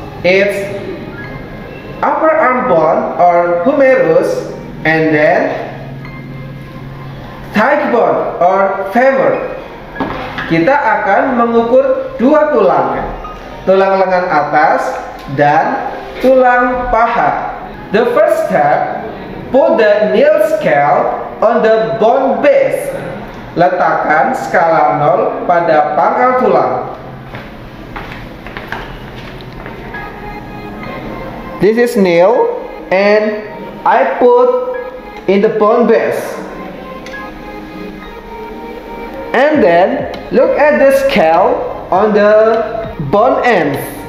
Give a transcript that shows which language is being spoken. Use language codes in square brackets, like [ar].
[en] It's upper arm bone or humerus, and then thigh bone or femur. [id] Kita akan mengukur dua tulang, tulang lengan atas dan tulang paha. [en] The first step, put the nail scale on the bone base. [id] Letakkan skala nol pada pangkal tulang. [en] This is nail and I put in the bone base. And then look at the scale on the bone ends.